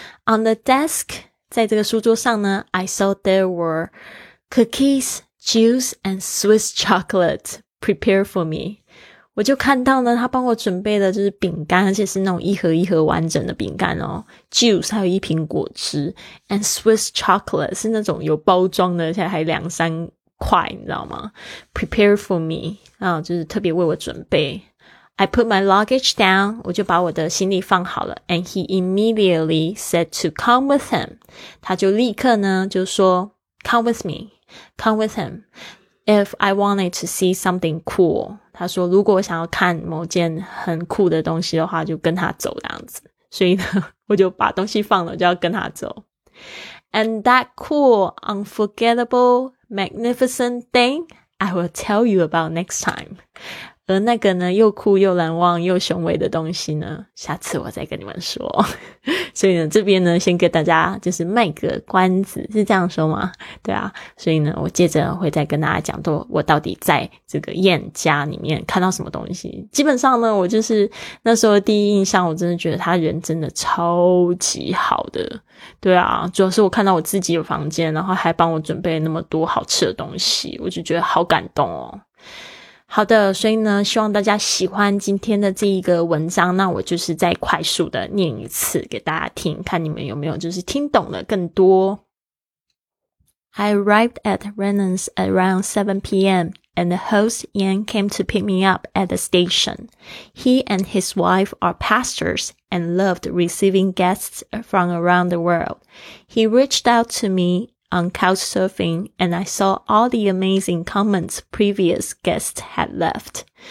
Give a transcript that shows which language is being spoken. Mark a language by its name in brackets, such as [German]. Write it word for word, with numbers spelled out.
[English] On the desk， [Chinese] 在这个书桌上呢 [English] I saw there were cookies, juice and Swiss chocolate prepared for me。 [Chinese] 我就看到呢他帮我准备的就是饼干，而且是那种一盒一盒完整的饼干哦。 [English] Juice [Chinese] 还有一瓶果汁 [English] and Swiss chocolate [Chinese] 是那种有包装的，而且还两三快，你知道吗？ [English] Prepare for me， [Chinese] 啊，就是特别为我准备。 [English] I put my luggage down， [Chinese] 我就把我的行李放好了。 [English] And he immediately said to come with him， [Chinese] 他就立刻呢就说 [English] come with me, come with him, if I wanted to see something cool. [Chinese] 他说如果我想要看某件很酷的东西的话，就跟他走这样子。所以呢，我就把东西放了，就要跟他走。 [English] And that cool, unforgettable, magnificent thing I will tell you about next time. [Chinese] 而那个呢，又酷又难忘又雄伟的东西呢，下次我再跟你们说。所以呢，这边呢，先给大家就是卖个关子，是这样说吗？对啊，所以呢，我接着会再跟大家讲到我到底在这个燕家里面看到什么东西。基本上呢，我就是那时候第一印象，我真的觉得他人真的超级好的。对啊，主要是我看到我自己的房间，然后还帮我准备那么多好吃的东西，我就觉得好感动哦。好的，所以呢，希望大家喜欢今天的这一个文章，那我就是再快速的念一次给大家听，看你们有没有就是听懂了更多。 [English] I arrived at Rennes around seven p.m. and the host Yan came to pick me up at the station. He and his wife are pastors and loved receiving guests from around the world. He reached out to me on couchsurfing, and I saw all the amazing comments previous guests had left.